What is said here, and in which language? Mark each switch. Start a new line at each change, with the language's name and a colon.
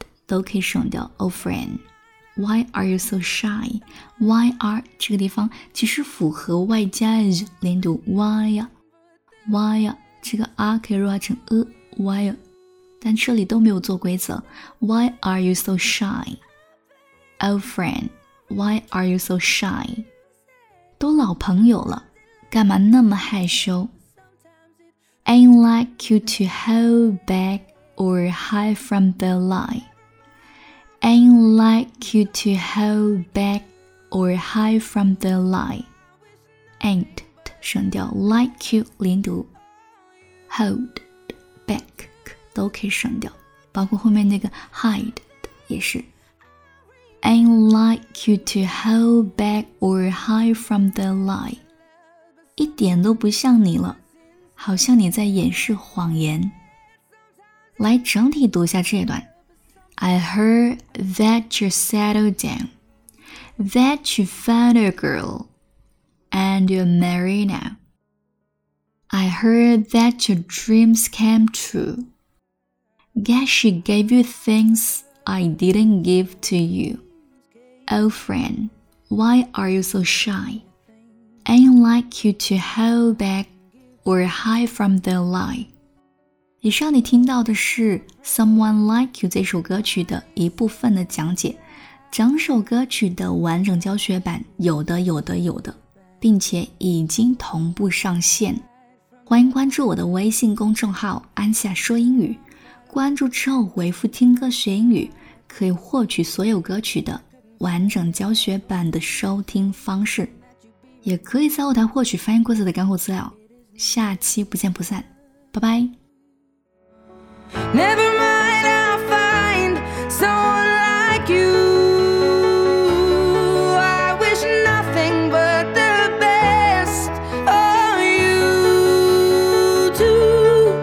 Chinese: 都可以省掉
English: Oh, friend. Why are you so shy? Why are
Chinese: 这个地方其实符合外加 is 连读 Why?
English: Why?
Chinese: 这个 R 可以弱化成 Why? 但这里都没有做规则
English: Why are you so shy? Oh, friend. Why are you so shy?
Chinese: 都老朋友了，干嘛那么害羞
English: ？Ain't like you to hold back or hide from the light. Ain't like you to hold back or hide from the light.
Chinese: Ain't 省掉 like you 连读 ，
English: hold back
Chinese: 都可以省掉，包括后面那个 hide 也是。
English: Ain't like you to hold back or hide from the light.
Chinese: 一点都不像你了，好像你在掩饰谎言。来整体读一下这一段。
English: I heard that you settled down, that you found a girl, and you're married now. I heard that your dreams came true. Guess she gave you things I didn't give to you. Oh, friend, why are you so shy? Ain't like you to hold back or hide from the light.
Chinese: 以上你听到的是 Someone Like You 这首歌曲的一部分的讲解，整首歌曲的完整教学版有的有的有的，并且已经同步上线。欢迎关注我的微信公众号安夏说英语，关注之后回复听歌学英语，可以获取所有歌曲的完整教学版的收听方式，也可以在后台获取翻译规则的干货资料。下期不见不散，拜拜。
English: Never mind, I'll find someone like you. I wish nothing but the best of you too.